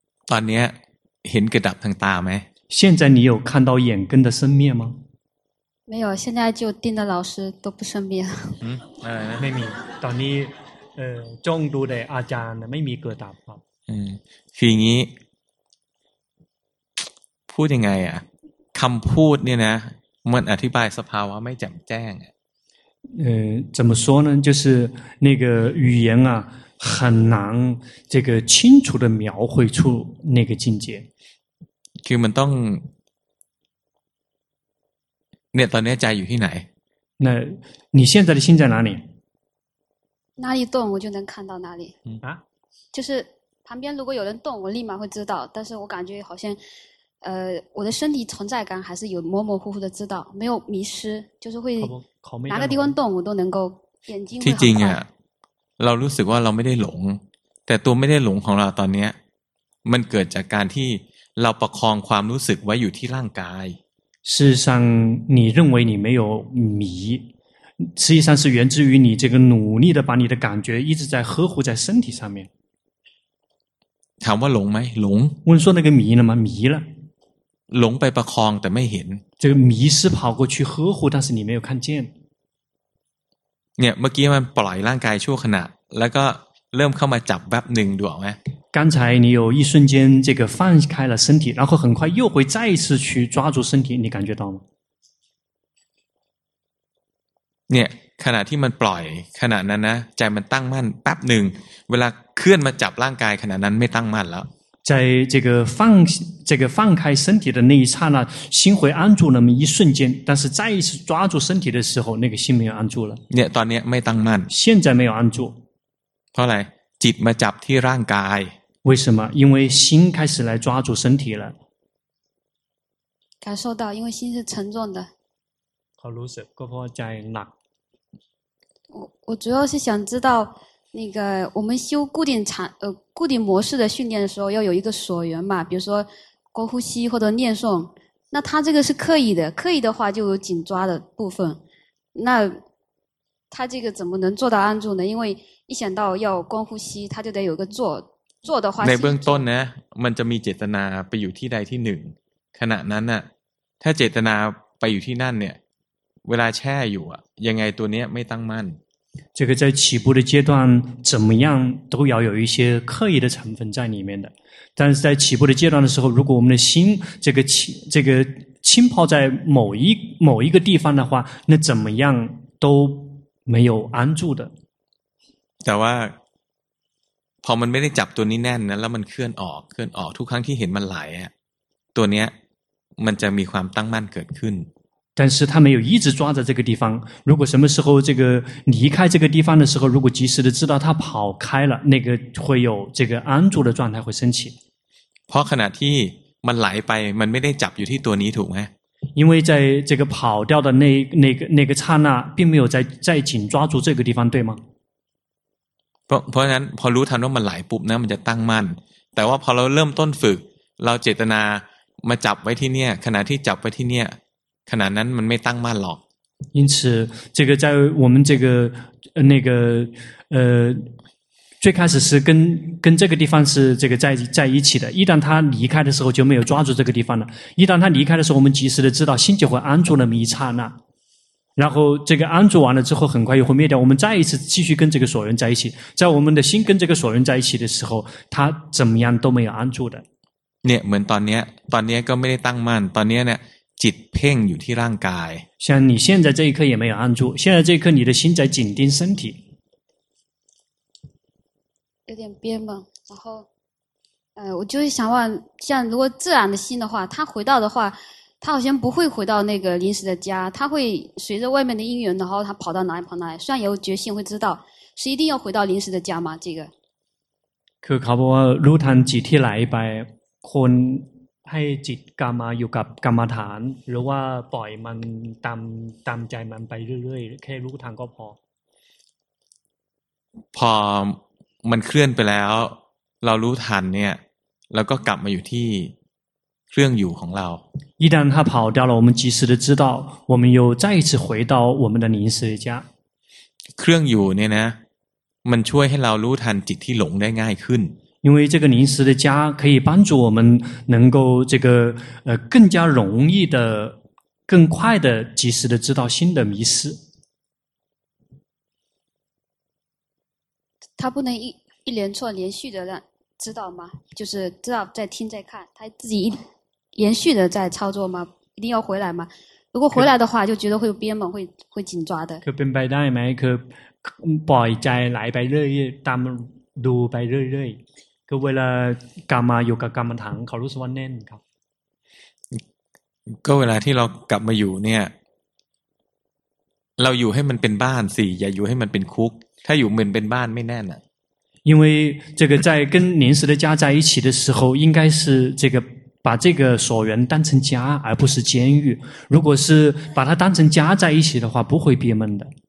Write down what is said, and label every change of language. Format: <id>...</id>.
<th>ตอนนี้เห็นเกิดดับทางตาไหม</th> <zh>现在你有看到眼根的生灭吗没有现在就盯着老师都不生灭</zh> <th>ไม่มีตอนนี้จ้องดูแต่อาจารย์ไม่มีเกิดดับครับ คืออย่างนี้พูดยังไงอ่ะคำพูดเนี่ยนะมันอธิบายสภาวะไม่แจ่มแจ้ง</th> <zh>怎么说呢就是那个语言啊很难这个清楚的描绘出那个境界</zh> <th>คือมันต้องเนี่ยตอนนี้ใจอยู่ที่ไหน</th> <zh>那你现在的心在哪里哪里动我就能看到哪里啊就是旁边如果有人动我立马会知道但是我感觉好像我的身体存在感还是有模模糊糊的知道没有迷失就是会哪个地方动我都能够眼睛会很快</zh> <th>เรารู้สึกว่าเราไม่ได้หลงแต่ตัวไม่ได้หลงของเราตอนนี้มันเกิดจากการที่เราประคองความรู้สึกไว้อยู่ที่ร่างกาย</th> <zh>事实上你认为你没有迷实际上是源自于你这个努力的把你的感觉一直在呵护在身体上面</zh> <th>ถามว่าหลงไหมหลง</th> <zh>问说那个迷了吗迷了</zh> <th>หลงไปประคองแต่ไม่เห็น</th> <zh>这个迷失跑过去呵护但是你没有看见</zh> <th>เนี่ยเมื่อกี้มันปล่อยร่างกายชั่วขณะแล้วก็เริ่มเข้ามาจับแป๊บหนึ่งดูออกไหม</th> <zh>刚才你有一瞬间这个放开了身体然后很快又会再一次去抓住身体你感觉到吗</zh> <th>เนี่ยขณะที่มันปล่อยขณะนั้นนะใจมันตั้งมั่นแป๊บหนึ่งเวลาเคลื่อนมาจับร่างกายขณะนั้นไม่ตั้งมั่นแล้ว</th> <zh>在这个放开身体的那一刹那心会安住那么一瞬间但是再一次抓住身体的时候那个心没有安住了</zh> <th>เนี่ยตอนนี้ไม่ตั้งมั่น</th> <zh>现在没有安住</zh> <th>เพราะอะไรจิตมาจับที่ร่างกาย</th> <zh>为什么因为心开始来抓住身体了感受到因为心是沉重的</zh> <th>好รู้สึกก็เพราะใจหนัก</th> <zh>我主要是想知道那个我们修固定场固定模式的训练的时候要有一个所缘嘛比如说过呼吸或者念诵那他这个是刻意的刻意的话就有紧抓的部分那他这个怎么能做到安住呢因为一想到要观呼吸他就得有个做做的话</zh> <th>ในเบื้องต้นนะมันจะมีเจตนาไปอยู่ที่ใดที่หนึ่งขณะนั้นน่ะถ้าเจตนาไปอยู่ที่นั่นเนี่ยเวลาแช่อยู่อ่ะยังไงตัวเนี้ยไม่ตั้งมั่น</th> <zh>这个在起步的阶段怎么样都要有一些刻意的成分在里面的但是在起步的阶段的时候如果我们的心这个浸泡在某一个地方的话那怎么样都没有安住的</zh> <th>แต่ว่าพอมันไม่ได้จับตัวนี้แน่นแล้วมันเคลื่อนออกทุกครั้งที่เห็นมันไหลตัวเนี้ยมันจะมีความตั้งมั่นเกิดขึ้น</th> <zh>แต่是他没有一直抓着这个地方如果什么时候这个离开这个地方的时候如果及时的知道他跑开了那个会有这个安住的状态会升起</zh> <th>เพราะขณะที่มันไหลไปมันไม่ได้จับอยู่ที่ตัวนี้ถูกไหม</th> <zh>因为在这个跑掉的那个刹那并没有在紧抓住这个地方对吗</zh> <th>เพราะนั้นพอรู้ทันว่ามันไหลปุ๊บนะมันจะตั้งมั่นแต่ว่าพอเราเริ่มต้นฝึกเราเจตนามาจับไว้ที่เนี่ยขณะที่จับไว้ที่เนี่ยขณะนั้นมันไม่ตั้งมั่นหรอก</th> <zh>因此这个在我们这个那个最开始是跟这个地方是这个在一起的一旦他离开的时候就没有抓住这个地方了一旦他离开的时候我们及时的知道心就会安住那么一刹那然后这个安住完了之后很快又会灭掉我们再一次继续跟这个所缘在一起在我们的心跟这个所缘在一起的时候它怎么样都没有安住的</zh> <th>เนี่ยเหมือนตอนนี้ก็ไม่ได้ตั้งมั่นตอนนี้เนี่ยจิตเพ่งอยู่ที่ร่างกาย</th> <zh>像你现在这一刻也没有安住现在这一刻你的心在紧盯身体有点憋嘛然后我就是想问像如果自然的心的话它回到的话他好像不会回到那个临时的家他会随着外面的因缘然后他跑到哪里跑哪里虽然有决心会知道是一定要回到临时的家吗这个</zh> <th>คือเขาบอกว่ารู้ทันจิตที่ไหลไปคนให้จิตกลับมาอยู่กับกรรมฐานหรือว่าปล่อยมันตามใจมันไปเรื่อยๆแค่รู้ทันก็พอ มันเคลื่อนไปแล้วเรารู้ทันเนี่ยแล้วก็กลับมาอยู่ที่เรื่องอยู่ของเรา</th> <zh>一旦他跑掉了我们及时的知道我们又再一次回到我们的临时家</zh> <th>เครื่องอยู่เนี่ยนะมันช่วยให้เรารู้ทันจิตที่หลงได้ง่ายขึ้น</th> <zh>因为这个临时的家可以帮助我们能够这个更加容易的更快的及时的知道心的迷失他不能一连串连续的让知道吗就是知道在听在看他自己延续的在操作吗一定要回来吗如果回来的话就觉得会憋闷会紧抓的</zh> <th>คือเป็นไปได้ไหมคือปล่อยใจไหลไปเรื่อยๆตามดูไปเรื่อยๆคือเวลากรรมมาอยู่กับกรรมฐานเขารู้สึกว่าแน่นครับ ก็เวลาที่เรากลับมาอยู่เนี่ยเราอยู่ให้มันเป็นบ้านสิอย่าอยู่ให้มันเป็นคุกถ้าอยู่เหมือนเป็นบ้านไม่แน่น่ะ</th> <zh>因为这个在跟临时的家在一起的时候应该是这个把这个所缘当成家而不是监狱如果是把它当成家在一起的话不会憋闷的</zh>